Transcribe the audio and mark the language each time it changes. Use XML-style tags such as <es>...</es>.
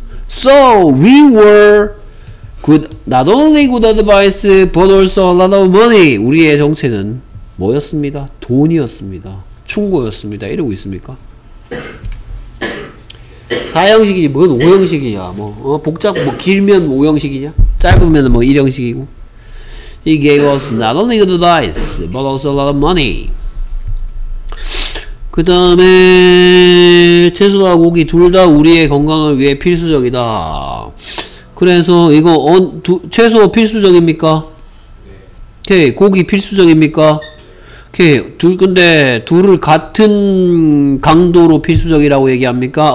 <en>So we were good, not only good advice but also a lot of money.</en> <ko>우리의 정체는 뭐였습니다? 돈이었습니다. 충고였습니다. 이러고 있습니까? 4형식이지 뭔 5형식이야? 뭐 어? 복잡 뭐 길면 5형식이냐? 짧으면 뭐 1형식이고?</ko> <en>He gave us not only good advice, but also a lot of money.</en> <ko>그 다음에 채소와 고기 둘 다 우리의 건강을 위해 필수적이다. 그래서 이거 채소 필수적입니까? 네. 오케이. 고기 필수적입니까? 오케이. 근데 둘을 같은 강도로 필수적이라고 얘기합니까?</ko>